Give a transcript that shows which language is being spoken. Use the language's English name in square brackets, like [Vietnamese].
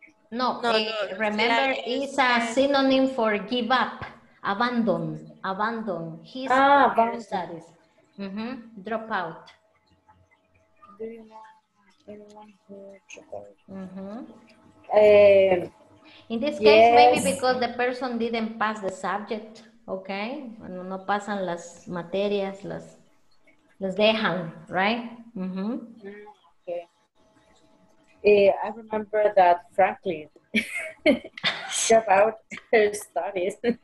[English] No, no, no, remember, is a synonym for give up, abandon, abandon. His ah, abandon. Studies. Mm-hmm. Drop out. Do you know anyone who dropped out? In this case, yes. Maybe because the person didn't pass the subject, okay? [Spanish] Cuando no pasan las materias, las dejan, right? Mm-hmm. [English] I remember that Franklin dropped out her studies.